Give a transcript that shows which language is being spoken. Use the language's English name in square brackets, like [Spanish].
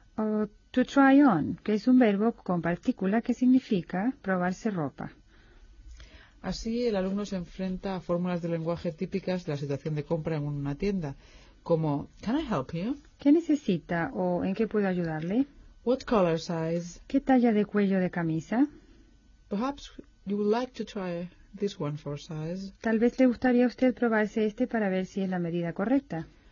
[Spanish] o to try on, que es un verbo con partícula que significa probarse ropa. Así, el alumno se enfrenta a fórmulas de lenguaje típicas de la situación de compra en una tienda, como, [English] can I help you? [Spanish] ¿Qué necesita o en qué puedo ayudarle? [English] What color size? [Spanish] ¿Qué talla de cuello de camisa? [English] Perhaps you would like to try this one for size. [Spanish] Tal vez le gustaría a usted probarse este para ver si es la medida correcta.